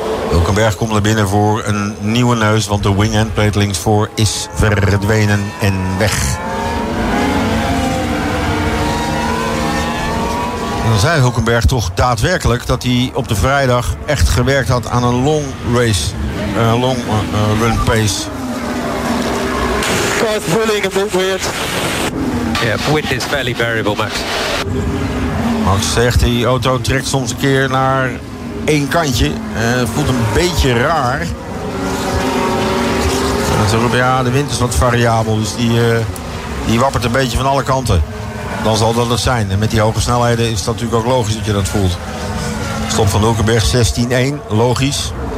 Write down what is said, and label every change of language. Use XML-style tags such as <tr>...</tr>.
<nl>Hulkenberg komt er binnen voor een nieuwe neus, want de wing endplate linksvoor is verdwenen en weg. En dan zei Hulkenberg toch daadwerkelijk dat hij op de vrijdag echt gewerkt had aan een long race.</nl> <en>Long run pace. Guys, feeling a bit weird. Yeah, wind is fairly variable, Max.</en> <nl>Max zegt, die auto trekt soms een keer naar één kantje. Voelt een beetje raar. Ja, de wind is wat variabel, dus die wappert een beetje van alle kanten. Dan zal dat het zijn. En met die hoge snelheden is dat natuurlijk ook logisch dat je dat voelt. Stop van Hulkenberg 16-1, logisch.</nl>